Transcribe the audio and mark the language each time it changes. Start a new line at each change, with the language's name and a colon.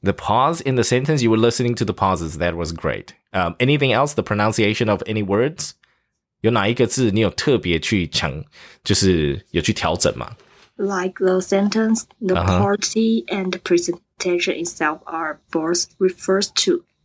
English: The pause in the sentence? You were listening to the pauses. That was great. Anything else? The pronunciation of any words?
Chinese: 有哪一个字你有特别去强，就是有去调整吗？
English: Like the sentence, the party and the presentation itself are both referred to.